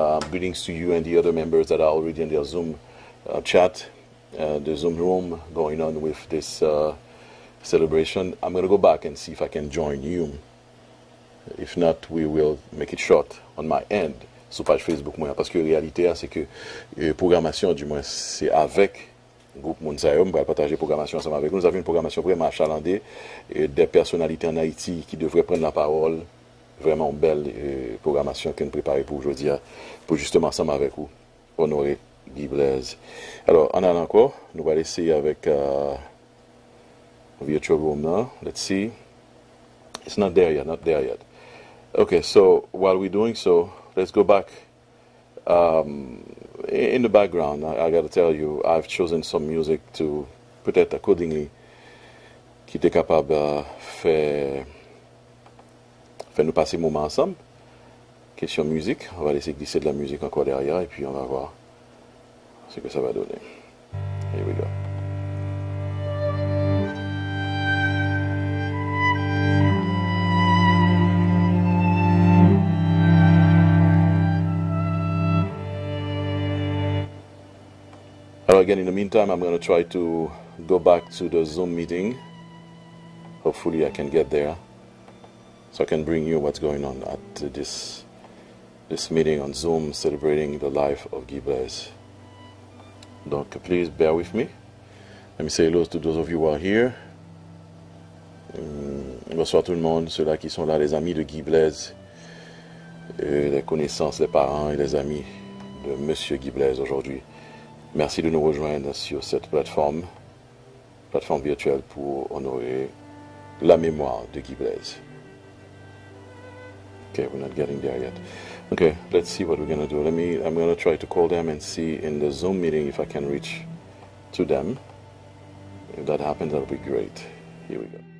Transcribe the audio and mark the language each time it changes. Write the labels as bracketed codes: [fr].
[en] Greetings to you and the other members that are already in their Zoom chat, the Zoom room going on with this celebration. I'm going to go back and see if I can join you. If not, we will make it short on my end, [fr] sur page Facebook. Parce que la réalité, c'est que programmation, du moins, c'est avec le groupe Mounsayo. On va partager la programmation ensemble avec vous. Nous avons une programmation vraiment achalandée, des personnalités en Haïti qui devraient prendre la parole. Vraiment belle programmation que nous préparons pour aujourd'hui, pour justement ensemble avec vous, honorer Guy Blaise. Alors, en allant encore, nous allons essayer avec [en] Virtual Room now. Let's see. It's not there yet. Okay, so while we're doing so, let's go back In the background, I gotta tell you, I've chosen some music to put it accordingly, [fr] qui était capable de faire nous passer un moment ensemble. Question musique, on va laisser glisser de la musique encore derrière et puis on va voir ce que ça va donner. [en] Here we go. Again, in the meantime, I'm going to try to go back to the Zoom meeting. Hopefully, I can get there so I can bring you what's going on at this meeting on Zoom celebrating the life of Guy Blaise. Donc, please bear with me. Let me say hello to those of you who are here. [fr] Bonsoir tout le monde, ceux-là qui sont là, les amis de Guy Blaise, les connaissances, les parents et les amis de Monsieur Guy Blaise aujourd'hui. Merci de nous rejoindre sur cette plateforme virtuelle pour honorer la mémoire de Guy Blaise. [en] Okay, we're not getting there yet. Okay, let's see what we're going to do. I'm going to try to call them and see in the Zoom meeting if I can reach to them. If that happens, that'll be great. Here we go.